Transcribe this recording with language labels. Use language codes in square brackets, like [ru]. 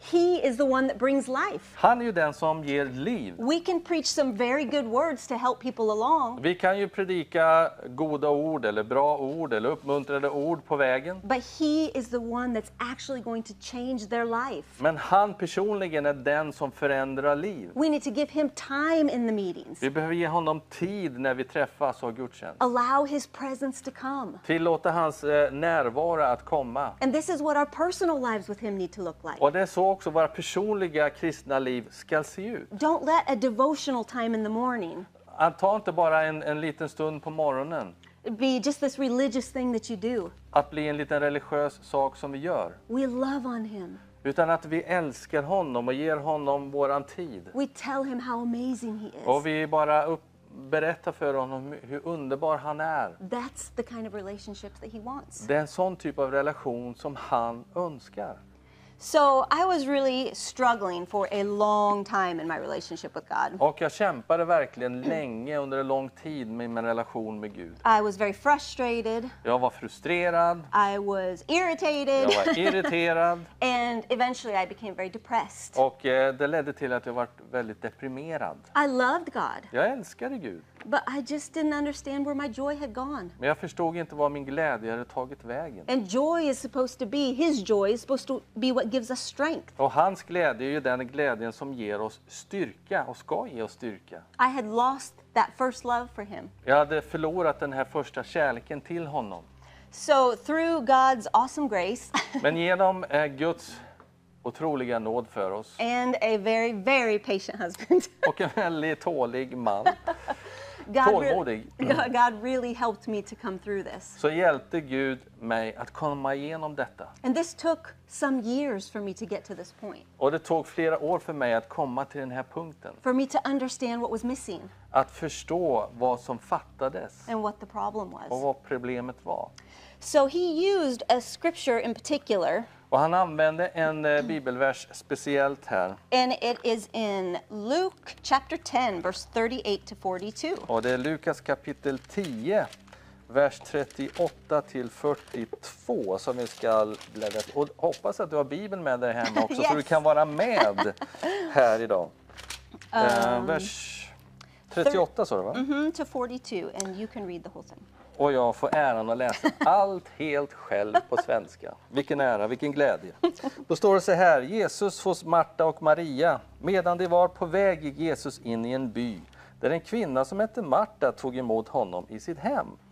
[en] He is the one that brings life. [sv] Han är ju den som ger liv. [en] We can preach some very good words to help people along. [sv] Vi kan ju predika goda ord eller bra ord eller uppmuntrande ord på vägen. [en] But he is the one that's actually going to change their life. [sv] Men han personligen är den som förändrar liv. [en] We need to give him time in the meetings. [sv] Vi behöver ge honom tid när vi träffas och har gudstjänst. [en] Allow his presence to come. [sv] Tillåta hans närvaro att komma. [en] And this is what our personal lives with him need to look like. [sv] Och det är så också våra personliga kristna liv ska se ut. [en] Don't let a devotional time in the morning. [sv] Att ta inte bara en liten stund på morgonen. [en] Be just this religious thing that you do. [sv] Att bli en liten religiös sak som vi gör. [en] We love on him. [sv] Utan att vi älskar honom och ger honom våran tid. [en] We tell him how amazing he is. [sv] Och vi bara berätta för honom hur underbar han är. [en] That's the kind of relationship that he wants. [sv] Det är en sån typ av relation som han önskar. [en] So I was really struggling for a long time in my relationship with God. [sv] Och jag kämpade verkligen länge under en lång tid med min relation med Gud. [en] I was very frustrated. [sv] Jag var frustrerad. [en] I was irritated. [sv] Jag var irriterad. [en] And eventually I became very depressed. [sv] Och det ledde till att jag var väldigt deprimerad. [en] I loved God. [sv] Jag älskade Gud. [en] But I just didn't understand where my joy had gone. [sv] Men jag förstod inte var min glädje hade tagit vägen. [en] And joy is supposed to be, his joy is supposed to be what gives us strength. [sv] Och hans glädje är ju den glädjen som ger oss styrka och ska ge oss styrka. [en] I had lost that first love for him. [sv] Jag hade förlorat den här första kärleken till honom. [en] So through God's awesome grace. [sv] Men genom Guds otroliga nåd för oss. [en] And a very, very patient husband. [sv] Och en väldigt tålig man. [en] God really helped me to come through this. [sv] Så hjälpte Gud mig att komma igenom detta. [en] And this took some years for me to get to this point. [sv] Och det tog flera år för mig att komma till den här punkten. [en] For me to understand what was missing. [sv] Att förstå vad som fattades. [en] And what the problem was. [sv] Och vad problemet var. [en] So he used a scripture in particular. [sv] Och han använde en bibelvers speciellt här. [en] And it is in Luke chapter 10, verse 38-42. [sv] Och det är Lukas kapitel 10, vers 38-42 som vi ska bläddra. Och hoppas att du har Bibeln med dig hemma också. [en] Yes. [sv] Så du kan vara med här idag. Vers 38 sa du va? [en] To 42, and you can read the whole thing. [sv] Och jag får äran att läsa allt helt själv på svenska. Vilken ära, vilken glädje. Då står det så här. Jesus hos Marta och Maria. Medan de var på väg gick Jesus in i en by. Där en kvinna som hette Marta tog emot honom i sitt hem.